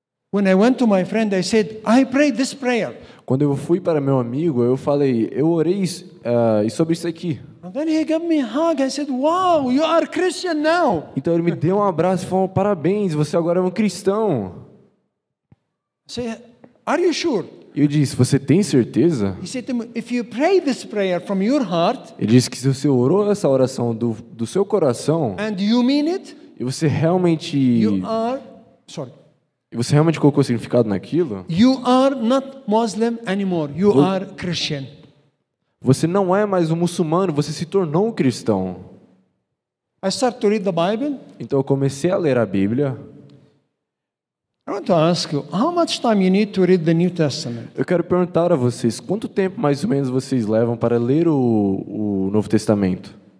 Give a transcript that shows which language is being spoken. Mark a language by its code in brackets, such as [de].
[en] When I went to my friend, I said, I prayed this prayer. [pt] Quando eu fui para meu amigo, eu falei, eu orei sobre isso aqui. [en] And then he gave me a hug. I said, wow, you are Christian now. [pt] Então ele me deu um abraço e falou, parabéns, você agora é um cristão. [en] I said, are you sure? [pt] Eu disse, você tem certeza? [en] He said to me, if you pray this prayer from your heart, [pt] ele disse que se você orou essa oração do seu coração, [en] and you mean it, [pt] e você realmente e você realmente colocou significado naquilo, [en] you are not Muslim anymore, you are Christian. [pt] Você não é mais um muçulmano, você se tornou um cristão. [en] I start to read the Bible. [pt] Então eu comecei a ler a Bíblia. [en] I want to ask you, how much time you need to read the New Testament? [pt] Eu quero perguntar a vocês, quanto tempo mais ou menos vocês levam para ler o Novo Testamento?